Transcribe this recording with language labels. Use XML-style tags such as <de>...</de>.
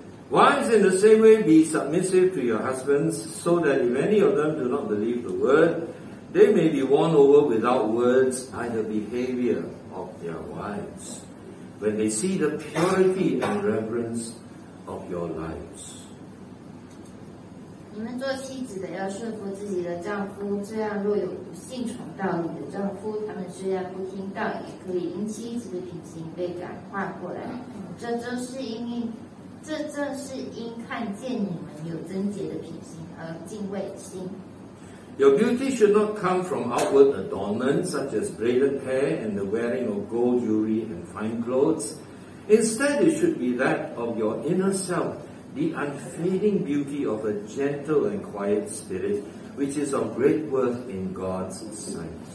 <en>Wives, in the same way, be submissive to your husbands, so that if any of them do not believe the word, they may be won over without words by the behavior of their wives, when they see the purity and reverence of your lives.</en> <zh>你们做妻子的要顺服自己的丈夫，这样若有不信从道理的丈夫，他们虽然不听道，也可以因妻子的品行被感化过来。这正是因看见你们有贞洁的品行而敬畏心。Your</zh> <en>beauty should not come from outward adornments such as braided hair and the wearing of gold jewelry and fine clothes. Instead, it should be that of your inner self, the unfading beauty of a gentle and quiet spirit, which is of great worth in God's sight.</en>